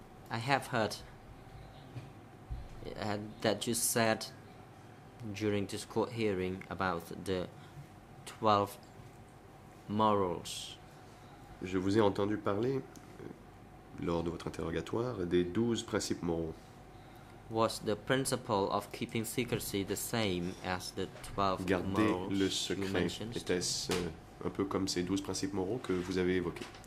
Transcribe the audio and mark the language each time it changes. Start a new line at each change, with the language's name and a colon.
English: I have heard that you said during this court hearing about the 12 morals.
French: Je vous ai entendu parler lors de votre interrogatoire des 12 principes moraux.
English: Was the principle of keeping secrecy the same as the 12
French: garder
English: morals
French: le secret,
English: you mentioned?
French: Était-ce un peu comme ces 12 principes moraux que vous avez évoqués?